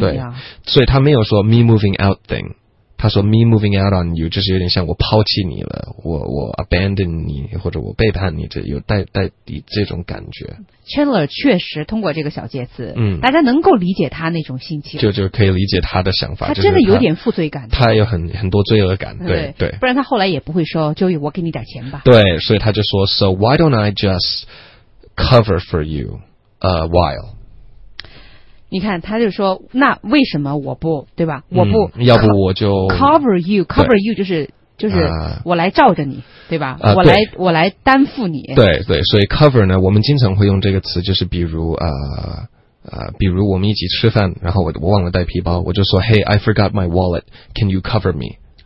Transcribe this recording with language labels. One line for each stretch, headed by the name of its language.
Chinese: 对，所以他没有说
English: me moving out thing，
Chinese: 他说
English: me moving out on you，
Chinese: 就是有点像我抛弃你了，我 abandon 你，或者我背叛你，这有带这种感觉。 Chandler 确实通过这个小介词，嗯，大家能够理解他那种心情，就可以理解他的想法。他真的有点负罪感，就是、他有很多罪恶感，对对, 对，不然他后来也不会说 Joey， 我给你点钱吧。对，所以他就说
English: So why don't I just cover for you a while？
Chinese: 你看，他就说那为什么我不对吧？我不、要不我就
English: cover you，cover you
Chinese: 就是我来罩着你，对吧？我来担负你。对对，所以 cover 呢，我们经常会用这个词，就是比如比如我们一起吃饭，然后我忘了带皮包，我就说
English: Hey， I forgot my wallet， can you cover me？